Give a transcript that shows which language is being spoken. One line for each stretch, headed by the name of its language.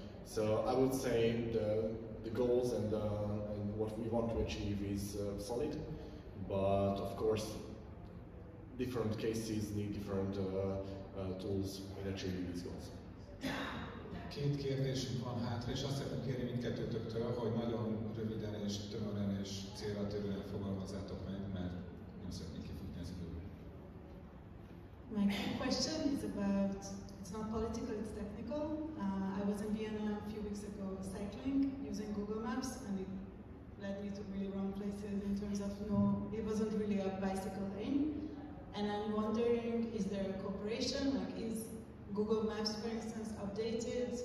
English: So I would say the goals and what we want to achieve is solid, but of course different cases need different tools in achieving these goals.
Hungarian: Két kérdésünk van hátra, és azt szeretném kérni mindkettőtöktől, hogy nagyon röviden és tömören és célra tűrően fogalmazzátok meg, mert nem szeretnék kifutni az időből.
English: My question is about, it's not political, it's technical. I was in Vienna a few weeks ago cycling using Google Maps, and it led me to really wrong places in terms of, no, it wasn't really a bicycle lane. And I'm wondering, is there a cooperation, like is Google Maps, for instance, updated?